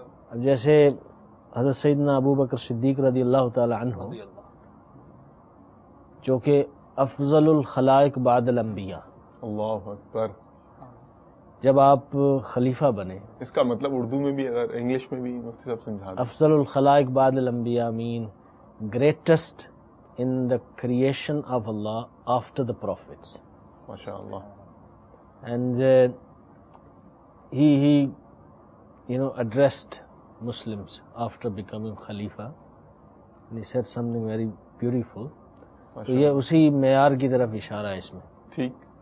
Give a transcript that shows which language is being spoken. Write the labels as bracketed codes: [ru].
[ur] اب جیسے حضرت سیدنا ابوبکر صدیق رضی اللہ تعالی عنہ جو کہ [ar] افضل الخلائق بعد الانبیاء, اللہ اکبر, [ur] جب آپ خلیفہ بنے, اس کا مطلب اردو میں بھی اگر انگلش میں بھی مفتی صاحب سمجھا دیں, [ar] افضل الخلائق بعد الانبیاء [en] مین greatest in the creation of Allah after the prophets, [ar] ماشاء اللہ. [en] And he you know addressed Muslims after becoming خلیفہ, he said something very beautiful. [ur] تو یہ اسی معیار کی طرف اشارہ ہے اس میں, ٹھیک,